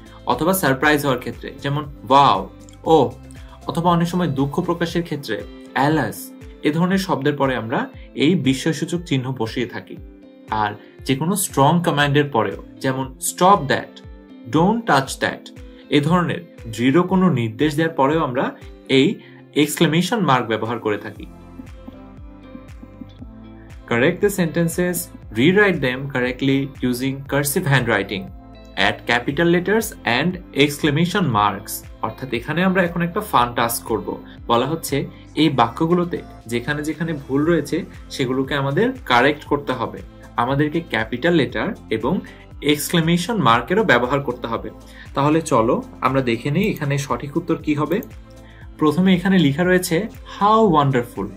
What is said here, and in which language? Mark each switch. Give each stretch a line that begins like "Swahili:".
Bangla: অথবা সারপ্রাইজ হওয়ার ক্ষেত্রে, যেমন ওয়াও, ও, অথবা অনেক সময় দুঃখ প্রকাশের ক্ষেত্রে অ্যালাস, এ ধরনের শব্দের পরে আমরা এই বিস্ময়সূচক চিহ্ন বসিয়ে থাকি। আর যে কোনো স্ট্রং কমান্ডের পরেও, যেমন
English: stop that, don't touch that,
Bangla: এ ধরনের দৃঢ় কোনো নির্দেশ দেওয়ার পরেও আমরা এই এক্সক্লেমেশন মার্ক ব্যবহার করে থাকি।
English: Correct the sentences, rewrite them correctly using cursive handwriting. Add capital letters and exclamation marks.
Bangla: অর্থাৎ এখানে আমরা এখন একটা ফান টাস্ক করব। বলা হচ্ছে এই বাক্যগুলোতে যেখানে যেখানে ভুল রয়েছে সেগুলোকে আমাদের কারেক্ট করতে হবে। আমাদেরকে ক্যাপিটাল লেটার এবং এক্সক্লেমেশন মার্কেরও ব্যবহার করতে হবে। তাহলে চলো আমরা দেখে নিই এখানে সঠিক উত্তর কি হবে। প্রথমে এখানে লেখা রয়েছে
English: How wonderful.